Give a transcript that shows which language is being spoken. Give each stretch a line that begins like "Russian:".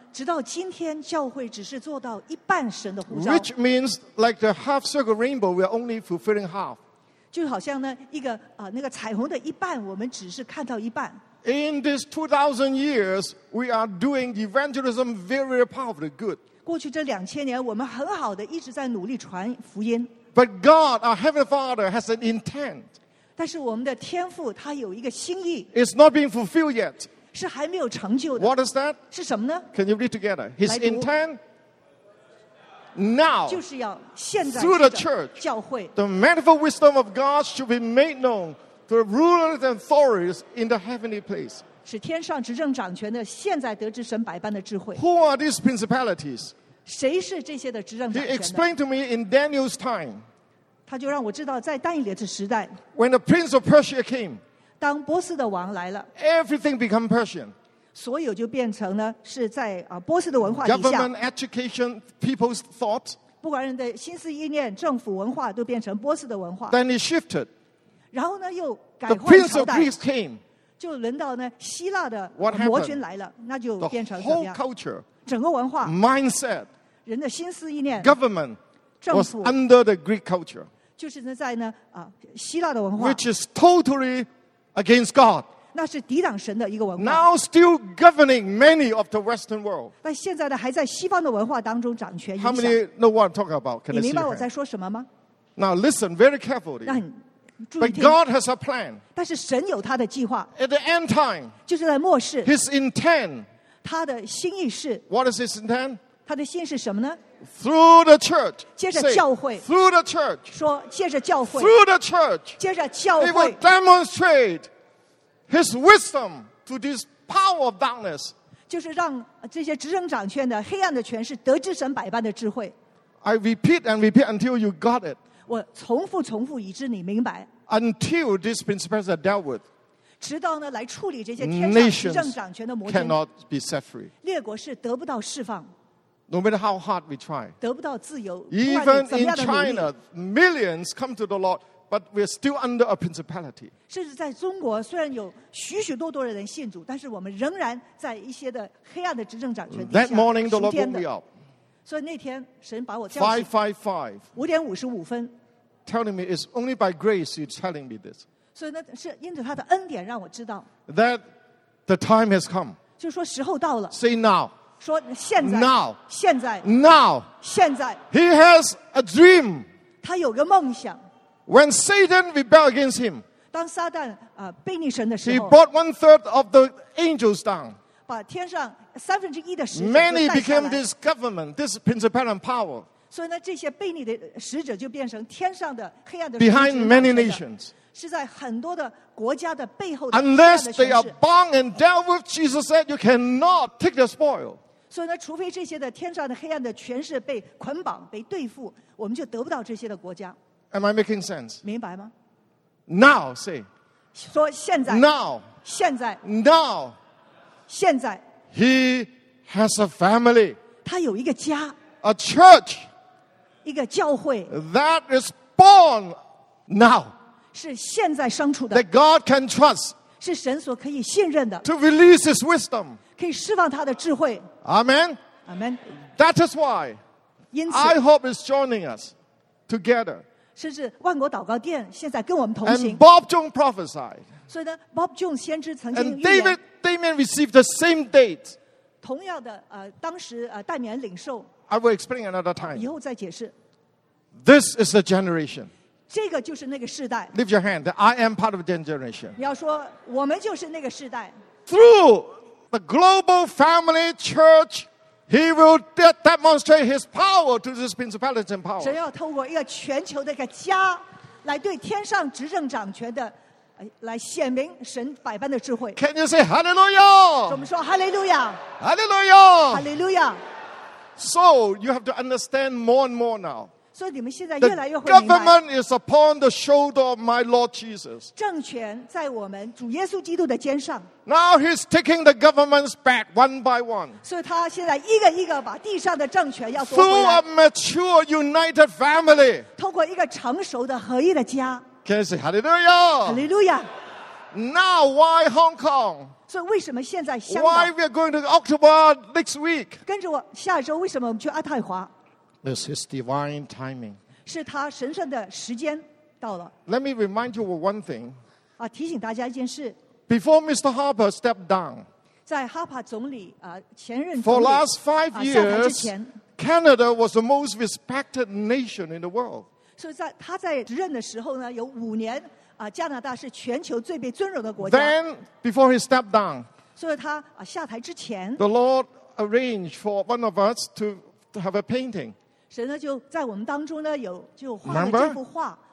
Chinese: 直到今天，教会只是做到一半神的呼召。
English: Which means, like the half circle rainbow, we are only fulfilling half.
Chinese: 就好像呢，一个那个彩虹的一半，我们只是看到一半。
English: In these 2,000 years, we are doing evangelism very powerfully good.
Chinese: 过去这2000年, 我们很好地 一直在努力传福音。
English: But God, our Heavenly Father, has an intent.
Chinese: 但是我们的天父, 他有一个心意。
English: It's not being fulfilled yet.
Chinese: 是还没有成就的。
English: What is that?
Chinese: 是什么呢?
English: Can you read together? His
Chinese: 来读,
English: intent now,
Chinese: 就是要现在,
English: through the church,
Chinese: 教会,
English: the manifold wisdom of God should be made known to the rulers and authorities in the heavenly place.
Chinese: 使天上执政掌权的, 现在得知神百般的智慧。
English: Who are these principalities?
Chinese: 谁是这些的执政掌权的?
English: He explained to me in Daniel's time,
Chinese: 他就让我知道在但以理的时代,
English: when the prince of Persia came,
Chinese: 当波斯的王来了,
English: everything became Persian.
Chinese: 所有就变成了是在,
English: government, education, people's thought.
Chinese: 不管人的心思意念, 政府文化,
English: then it shifted.
Chinese: 然后呢, 又改换朝代,
English: the prince of Greece came.
Chinese: 就轮到呢, 希腊的魔君来了, 那就变成了,
English: the whole culture,
Chinese: 整个文化,
English: mindset,
Chinese: 人的心思意念,
English: government,
Chinese: 政府,
English: was under the Greek culture.
Chinese: 就是呢,在呢, 希腊的文化,
English: which is totally against God.
Chinese: 那是抵挡神的一个文化,
English: now still governing many of the Western world.
Chinese: 但现在呢,还在西方的文化当中掌权,
English: how many know what I'm talking about? Can I see your hand? Now listen very carefully.
Chinese: 那很注意听,
English: but God has a plan.
Chinese: 但是神有他的计划,
English: at the end time,
Chinese: 就是在末世,
English: his intent,
Chinese: 他的心意是,
English: what is his intent?
Chinese: 他的心意是什么呢?
English: Through the church,
Chinese: 接着教会,
English: say, through the church,
Chinese: 说, 接着教会,
English: through the church,
Chinese: 接着教会,
English: it will demonstrate his wisdom to this power of darkness.
Chinese: 就是让这些执政掌权的黑暗的权势得知神百般的智慧。
English: I repeat and repeat until you got it.
Chinese: 我重复重复以致你明白。
English: Until these principles are dealt with,
Chinese: 直到呢来处理这些天上执政掌权的魔君,
English: cannot be set free.
Chinese: 列国是得不到释放。
English: No matter how hard we try,
Chinese: 得不到自由,
English: even in China, millions come to the Lord, but we're still under a principality.
Chinese: 甚至在中国, 虽然有许许多多人信主, 但是我们仍然在一些的黑暗的执政掌权底下,
English: that morning, the Lord woke me up.
Chinese: 所以那天神把我叫醒,
English: 5:55, telling me, it's only by grace you're telling me this.
Chinese: 所以那是因着他的恩典让我知道,
English: that the time has come.
Chinese: 就说时候到了,
English: say now.
Chinese: 说现在,
English: now,
Chinese: 现在,
English: now,
Chinese: 现在,
English: he has a dream.
Chinese: 他有个梦想,
English: when Satan rebelled against him,
Chinese: 当撒旦, 被逆神的时候,
English: he brought 1/3 of the angels down.
Chinese: 把天上三分之一的使者都带下来,
English: many became this government, this principal and power.
Chinese: 所以呢, 这些被逆的使者就变成天上的黑暗的使者,
English: behind many nations.
Chinese: 是在很多的国家的背后,
English: unless they are bound and dealt with, Jesus said, you cannot take the spoil.
Chinese: 所以呢, 除非这些的天上的黑暗的权势被捆绑, 被对付, 我们就得不到这些的国家。
English: Am I making sense?
Chinese: 明白吗?
English: Now, say.
Chinese: 说现在,
English: now.
Chinese: 现在,
English: now.
Chinese: 现在,
English: he has a family.
Chinese: 他有一个家,
English: a church.
Chinese: 一个教会,
English: that is born now.
Chinese: 是现在生出的,
English: that God can trust,
Chinese: 是神所可以信任的,
English: to release his wisdom,
Chinese: 可以释放他的智慧。
English: Amen? Amen. That is why,
Chinese: 因此,
English: I hope is joining us together.
Chinese: 甚至万国祷告殿现在跟我们同行。
English: And Bob Jones prophesied.
Chinese: 所以呢, Bob Jones 先知曾经预言,
English: and David, Damien received the same date.
Chinese: 同样的, 当时, 戴冕领受,
English: I will explain another time.
Chinese: 以后再解释。
English: This is the generation.
Chinese: 这个就是那个世代。
English: Lift your hand. I am part of the generation.
Chinese: 你要说, 我们就是那个世代。
English: Through the global family church, he will demonstrate his power to this principality and power.
Chinese: 神要透过一个全球的一个家, 来对天上执政掌权的, 来显明神百般的智慧。
English: Can you say hallelujah?
Chinese: 我们说 hallelujah.
English: Hallelujah. Hallelujah. So you have to understand more and more now.
Chinese: 所以你们现在越来越会明白,
English: the government is upon the shoulder of my Lord Jesus.
Chinese: 政权在我们主耶稣基督的肩上。
English: Now he's taking the governments back one by one.
Chinese: 所以他现在一个一个把地上的政权要夺回来。
English: Through a mature united family.
Chinese: 透过一个成熟的合一的家。
English: Can you say hallelujah? Hallelujah. Now why Hong Kong?
Chinese: 所以为什么现在香港?
English: Why we are going to October next week?
Chinese: 跟着我下周为什么我们去阿泰华?
English: It's his divine timing.
Chinese: 是他神圣的时间到了。
English: Let me remind you of one thing.
Chinese: 提醒大家一件事。
English: Before Mr. Harper stepped down,
Chinese: 在 Harper 总理前任总理
English: for last 5 years, Canada was the most respected nation in the world.
Chinese: 所以在他在任的时候呢，有五年加拿大是全球最被尊荣的国家。
English: Then, before he stepped down,
Chinese: 所以他下台之前
English: the Lord arranged for one of us to have a painting.
Chinese: 神呢就在我们当中呢有就画了这幅画。